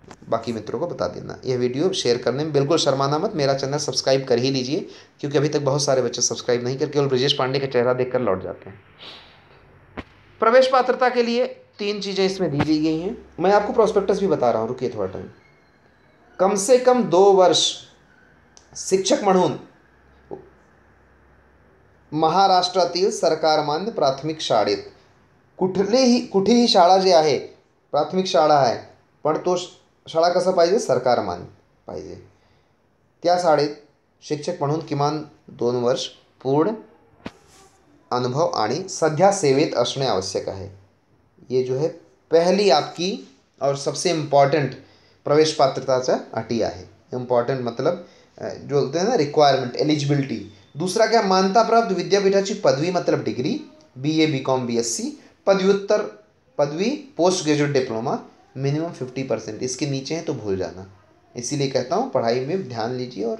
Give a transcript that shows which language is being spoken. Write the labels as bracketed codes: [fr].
[hi] बाकी मित्रों को बता देना। यह वीडियो शेयर करने में बिल्कुल शर्माना मत, मेरा चैनल सब्सक्राइब कर ही लीजिए, क्योंकि अभी तक बहुत सारे बच्चे सब्सक्राइब नहीं करके और ब्रजेश पांडे का चेहरा देखकर लौट जाते हैं। प्रवेश पात्रता के लिए 3 चीज़ें इसमें दी दी गई हैं, मैं आपको प्रॉस्पेक्टस भी बता रहा हूँ, रुकिए थोड़ा टाइम। [mr] कम से कम 2 वर्ष शिक्षक मढ़ून महाराष्ट्रातील सरकार मान्य प्राथमिक शाळेत, कुठली ही शाळा जी आहे प्राथमिक शाळा आहे, पण तो शाळा कसं पाहिजे, सरकार मान्य पाहिजे, त्या शाळेत शिक्षक म्हणून किमान 2 वर्ष पूर्ण अनुभव आणि सध्या सेवेत असणे आवश्यक आहे। [hi] ये जो है पहली आपकी और सबसे इम्पॉर्टंट [mr] प्रवेश पात्रताचा अटी आहे, [hi] इम्पॉर्टंट मतलब जो होते हैं ना रिक्वायरमेंट एलिजिबिलिटी। दूसरा क्या, [mr] मान्यता प्राप्त विद्यापीठाची पदवी [hi] मतलब डिग्री, BA BCOM BSc, पदव्युत्तर पदवी, पोस्ट ग्रेजुएट डिप्लोमा, मिनिमम 50%, इसके नीचे हैं तो भूल जाना, इसीलिए कहता हूँ पढ़ाई में ध्यान लीजिए।